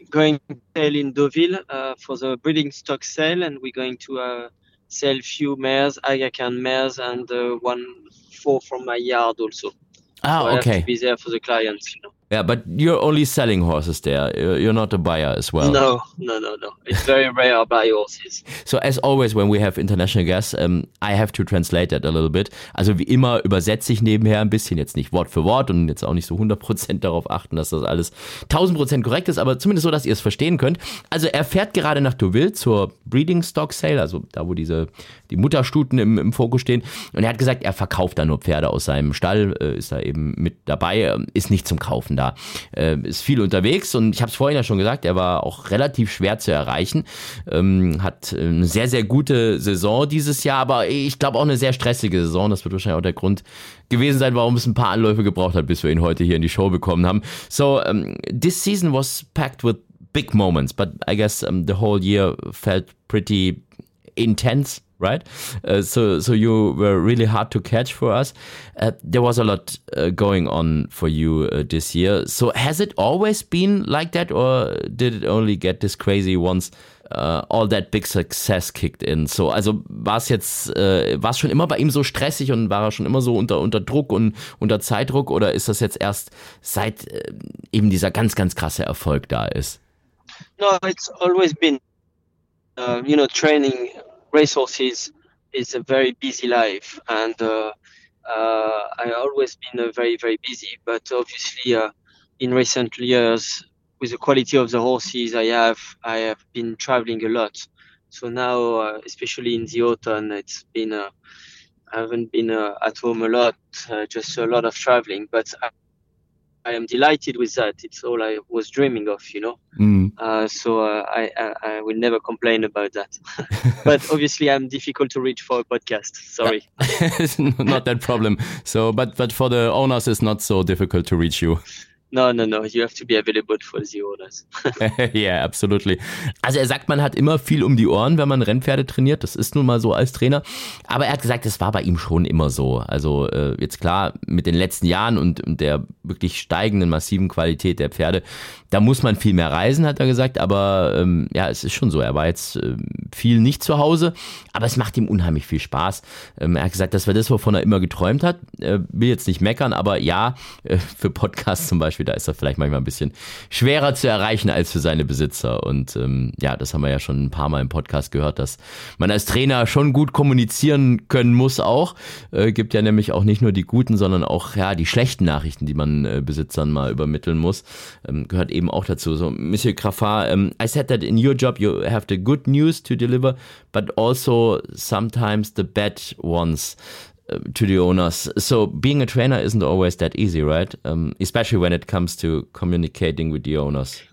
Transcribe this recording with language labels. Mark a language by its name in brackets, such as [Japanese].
[English] Going to sell in Deauville for the breeding stock sale, and we're going to sell few mares, Aga Khan mares, and one four from my yard also. Ah, so okay. I have to be there for the clients, you know. Yeah, but you're only selling horses there. You're not a buyer as well. No. It's very rare to buy horses. So as always, when we have international guests, I have to translate that a little bit. [German] Also wie immer übersetze ich nebenher ein bisschen, jetzt nicht Wort für Wort und jetzt auch nicht so 100% darauf achten, dass das alles 1000% korrekt ist, aber zumindest so, dass ihr es verstehen könnt. Also er fährt gerade nach Deauville zur Breeding Stock Sale, also da, wo die Mutterstuten im Fokus stehen. Und er hat gesagt, er verkauft da nur Pferde aus seinem Stall, ist da eben mit dabei, ist nicht zum Kaufen. Da ist viel unterwegs und ich habe es vorhin ja schon gesagt, er war auch relativ schwer zu erreichen, hat eine sehr, sehr gute Saison dieses Jahr, aber ich glaube auch eine sehr stressige Saison. Das wird wahrscheinlich auch der Grund gewesen sein, warum es ein paar Anläufe gebraucht hat, bis wir ihn heute hier in die Show bekommen haben. [English] So, this season was packed with big moments, but I guess the whole year felt pretty intense, right? So you were really hard to catch for us. There was a lot going on for you this year. So has it always been like that, or did it only get this crazy once all that big success kicked in? [German] So, also war es schon immer bei ihm so stressig und war er schon immer so unter Druck und unter Zeitdruck, oder ist das jetzt erst seit eben dieser ganz, ganz krasse Erfolg da ist? [English] No, it's always been, you know, training racehorses is a very busy life, and I always been very, very busy. But obviously, in recent years, with the quality of the horses I have been traveling a lot. So now, especially in the autumn, it's been I haven't been at home a lot, just a lot of traveling. But I am delighted with that. It's all I was dreaming of, you know. So I will never complain about that. But obviously, I'm difficult to reach for a podcast. Sorry. Not that problem. So, but for the owners, it's not so difficult to reach you. No, you have to be available for the owners. Yeah, absolutely. [German] Also er sagt, man hat immer viel um die Ohren, wenn man Rennpferde trainiert. Das ist nun mal so als Trainer. Aber er hat gesagt, das war bei ihm schon immer so. Also jetzt klar, mit den letzten Jahren und der wirklich steigenden, massiven Qualität der Pferde, da muss man viel mehr reisen, hat er gesagt. Aber ja, es ist schon so. Er war jetzt viel nicht zu Hause, aber es macht ihm unheimlich viel Spaß. Er hat gesagt, das war das, wovon er immer geträumt hat. Will jetzt nicht meckern, aber ja, für Podcasts zum Beispiel, da ist er vielleicht manchmal ein bisschen schwerer zu erreichen als für seine Besitzer. Und ja, das haben wir ja schon ein paar Mal im Podcast gehört, dass man als Trainer schon gut kommunizieren können muss auch. Gibt ja nämlich auch nicht nur die guten, sondern auch ja, die schlechten Nachrichten, die man Besitzern mal übermitteln muss. Gehört eben auch dazu. [English] So, Monsieur Graffard, I said that in your job you have the good news to deliver, but also sometimes the bad ones to the owners. So being a trainer isn't always that easy, right? Especially when it comes to communicating with the owners.